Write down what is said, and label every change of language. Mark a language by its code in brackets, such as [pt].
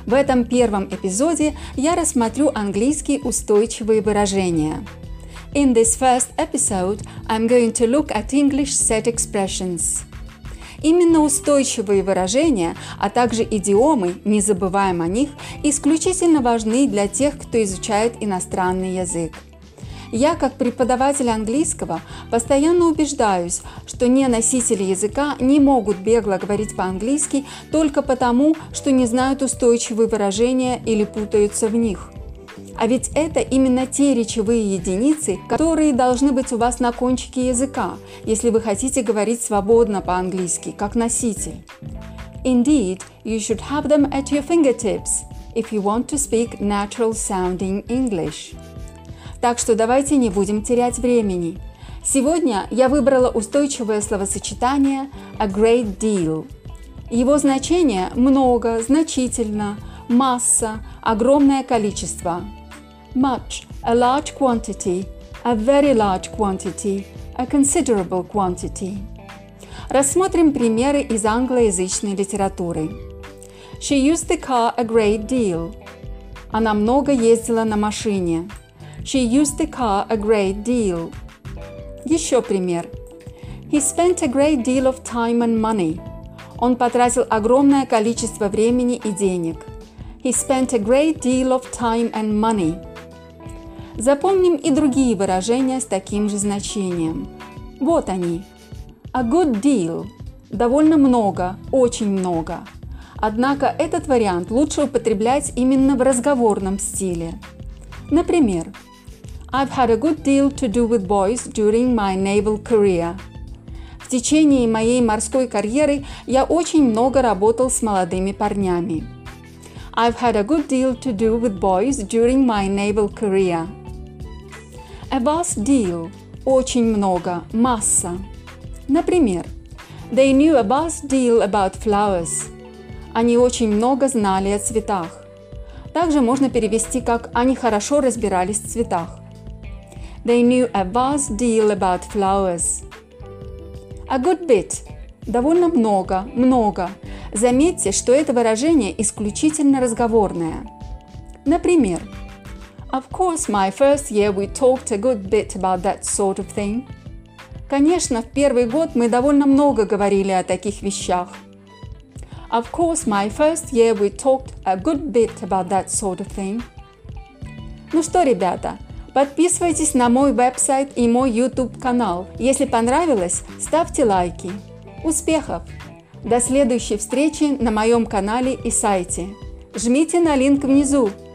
[ru] В этом первом эпизоде я рассмотрю английские устойчивые выражения. [en] In this first episode, I'm going to look at English set expressions. [ru] Именно устойчивые выражения, а также идиомы, не забываем о них, исключительно важны для тех, кто изучает иностранный язык. Я, как преподаватель английского, постоянно убеждаюсь, что неносители языка не могут бегло говорить по-английски только потому, что не знают устойчивые выражения или путаются в них. А ведь это именно те речевые единицы, которые должны быть у вас на кончике языка, если вы хотите говорить свободно по-английски, как носитель. [en] Indeed, you should have them at your fingertips, if you want to speak natural-sounding English. [ru] Так что давайте не будем терять времени. Сегодня я выбрала устойчивое словосочетание [en] «a great deal». [ru] Его значение – много, значительно, масса, огромное количество. [en] Much – a large quantity, a very large quantity, a considerable quantity. [ru] Рассмотрим примеры из англоязычной литературы. [en] She used the car a great deal. [ru] Она много ездила на машине. [en] She used the car a great deal. [ru] Еще пример. [en] He spent a great deal of time and money. [ru] Он потратил огромное количество времени и денег. [en] He spent a great deal of time and money. [ru] Запомним и другие выражения с таким же значением. Вот они. [en] A good deal. [ru] Довольно много, очень много. Однако этот вариант лучше употреблять именно в разговорном стиле. Например. [en] I've had a good deal to do with boys during my naval career. [ru] В течение моей морской карьеры я очень много работал с молодыми парнями. [en] I've had a good deal to do with boys during my naval career. A vast deal. [ru] Очень много. Масса. Например, [en] they knew a vast deal about flowers. [ru] Они очень много знали о цветах. Также можно перевести как «они хорошо разбирались в цветах». [en] They knew a vast deal about flowers. A good bit. [ru] Довольно много, много. Заметьте, что это выражение исключительно разговорное. Например. [en] Of course, my first year we talked a good bit about that sort of thing. [ru] Конечно, в первый год мы довольно много говорили о таких вещах. [en] Of course, my first year we talked a good bit about that sort of thing. [ru] Ну что, ребята? Подписывайтесь на мой веб-сайт и мой YouTube-канал. Если понравилось, ставьте лайки. Успехов! До следующей встречи на моем канале и сайте. Жмите на линк внизу.